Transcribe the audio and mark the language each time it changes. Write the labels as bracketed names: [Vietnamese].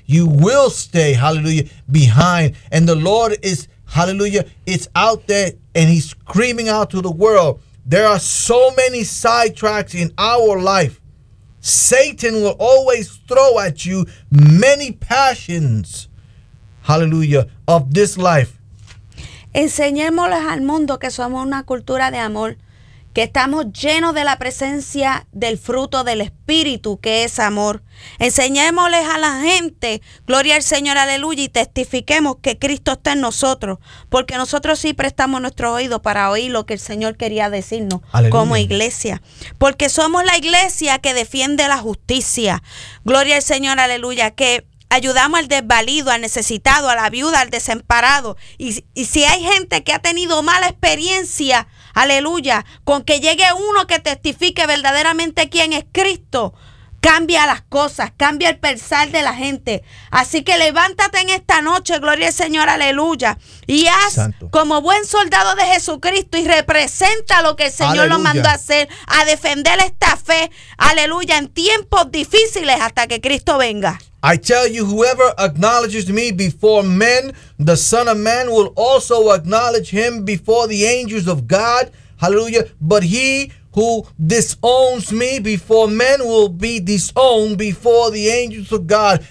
[English] You will stay, hallelujah, behind. And the Lord is, hallelujah, it's out there, and he's screaming out to the world. There are so many sidetracks in our life. Satan will always throw at you many passions, hallelujah, of this life. [Spanish] Enseñémosles al mundo que somos una cultura de amor, que estamos llenos de la presencia del fruto del Espíritu, que es amor. Enseñémosles a la gente, gloria al Señor, aleluya, y testifiquemos que Cristo está en nosotros, porque nosotros sí prestamos nuestro oído para oír lo que el Señor quería decirnos, aleluya, como iglesia. Porque somos la iglesia que defiende la justicia. Gloria al Señor, aleluya, que ayudamos al desvalido, al necesitado, a la viuda, al desamparado. Y si hay gente que ha tenido mala experiencia, aleluya, con que llegue uno que testifique verdaderamente quién es Cristo, cambia las cosas, cambia el pensar de la gente. Así que levántate en esta noche, gloria al Señor, aleluya, y haz Santo. Como buen soldado de Jesucristo y representa lo que el Señor aleluya. Lo mandó a hacer, a defender esta fe, aleluya, en tiempos difíciles hasta que Cristo venga. [English] I tell you, whoever acknowledges me before men, the Son of Man will also acknowledge him before the angels of God. Hallelujah. But he who disowns me before men will be disowned before the angels of God.